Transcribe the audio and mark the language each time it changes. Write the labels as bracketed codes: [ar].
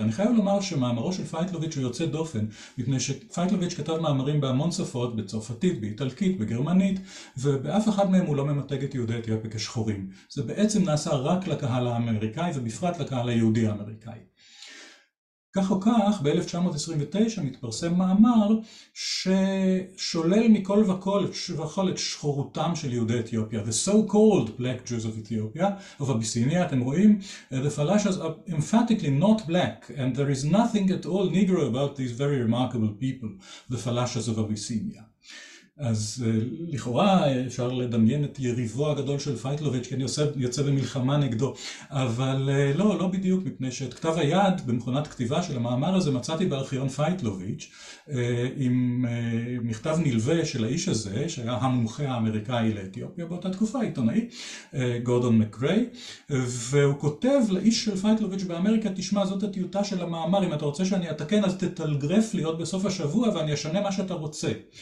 [he] אני חייב לומר שמאמרו של פייטלוביץ' הוא יוצא דופן, מפני שפייטלוביץ' כתב מאמרים בהמון שפות, בצרפתית, באיטלקית, בגרמנית, ובאף אחד מהם הוא לא ממתג את יהודי אתיופיה כשחורים. זה בעצם נעשה רק לקהל האמריקאי ובפרט לקהל היהודי האמריקאי. כך או כך, ב-1929 מתפרסם מאמר ששולל מכל וכל, וכל את שחורותם של יהודי אתיופיה. [en] The so-called black Jews of Ethiopia, of Abyssinia, [he] אתם רואים, [en] the Falashas are emphatically not black, and there is nothing at all negro about these very remarkable people, the Falashas of Abyssinia. [he] אז לכאורה אפשר לדמיין את יריבו הגדול של פייטלוביץ' כי אני יוצא במלחמה נגדו, אבל לא בדיוק, מפני שאת כתב היד במכונת כתיבה של המאמר הזה מצאתי בארכיון פייטלוביץ' עם מכתב נלווה של האיש הזה שהיה המומחה האמריקאי לאתיופיה באותה תקופה, עיתונאי גורדון מקריי, והוא כותב לאיש של פייטלוביץ' באמריקה, תשמע, זאת הטיוטה של המאמר, אם אתה רוצה שאני אתקן אז תתלגרף לי עוד בסוף השבוע ואני אשנה מה שאתה רוצה.